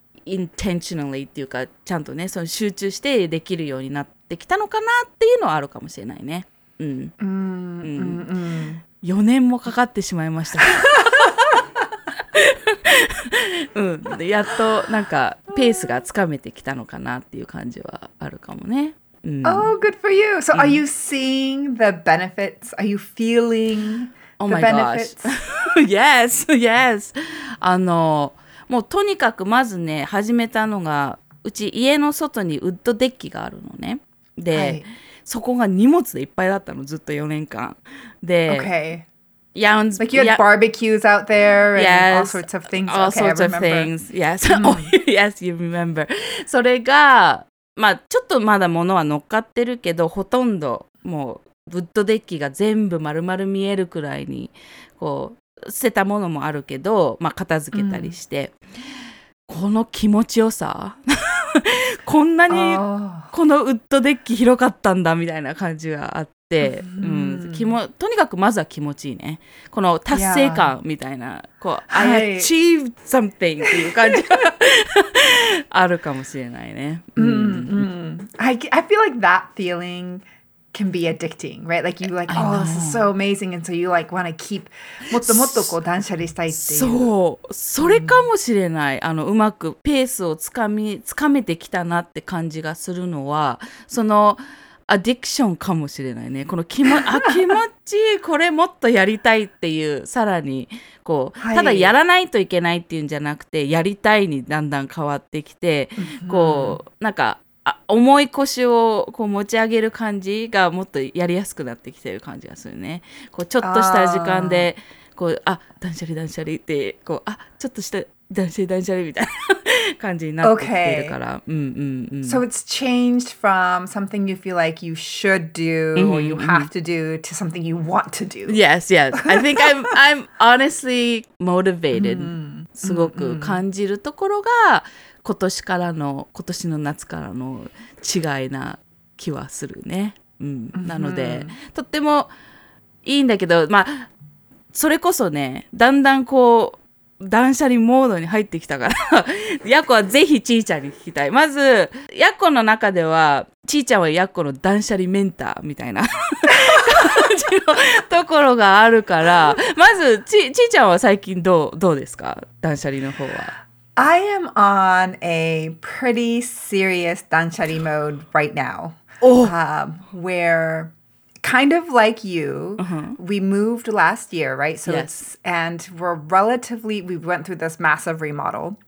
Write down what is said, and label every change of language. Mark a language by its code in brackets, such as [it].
[ja] intentionally っていうか、ちゃんとね、その集中してできるようになってきたのかなっていうのはあるかもしれないね。 4年もかかってしまいました。やっとなんかペースがつかめてきたのかなっていう感じはあるかもね。 [en] Oh, good for you. So are you seeing the benefits? Are you feeling the benefits? Oh my gosh. Yes, yes. [ja] あのもうとにかくまずね始めたのがうち家の外にウッドデッキがあるのね。で、はい、そこが荷物でいっぱいだったのずっと4年間で、 [en] okay. Like you had barbecues out there and yes, all sorts of things. All sorts of things. Yes.、Mm-hmm. Yes, you remember. [ja] それがまあちょっとまだ物は乗っかってるけどほとんどもうウッドデッキが全部丸々見えるくらいにこう捨てたものもあるけど、まあ、片付けたりして、mm-hmm. この気持ちよさこんなにこのウッドデッキ広かったんだみたいな感じがあって、mm-hmm. うん、とにかくまずは気持ちいいね。この達成感みたいな、yeah. こう、はい、 [en] I achieved something [ja] っていう感じがあるかもしれないね。 Mm-hmm. [en] I feel like that feelingcan be addicting, right? Like you like, oh, this is so amazing, and so you like want to keep [ja] もっともっとこう断捨離したいっていう。そう、それかもしれない。あのうまくペースをつかめてきたなって感じがするのは、そのアディクションかもしれないね。この気持ちいい、これもっとやりたいっていう、さらにこう、はい、ただやらないといけないっていうんじゃなくて、やりたいにだんだん変わってきて、こうなんか。思い腰をこう持ち上げる感じがもっとやりやすくなってきてる感じがするね。こうちょっとした時間でこうあ断捨離断捨離ってこうあちょっとした断捨離断捨離みたいな感じになってきているから、 [en] okay. [ja] うんうんうん。 [en] So it's changed from something you feel like you should do or you have to do to something you want to do. Yes, yes. I think I'm honestly motivated. [ja] すごく感じるところが。今年からの今年の夏からの違いな気はするね、うん、なので、mm-hmm. とってもいいんだけど、まあ、それこそねだんだんこう断捨離モードに入ってきたからヤコはぜひちーちゃんに聞きたい。まずヤコの中ではちーちゃんはヤコの断捨離メンターみたいな感じのところがあるからまずちーちゃんは最近どうですか断捨離の方は。 [en] I am on a pretty serious断捨離 mode right now, where kind of like you, we moved last year, right? So yes. And we went through this massive remodel.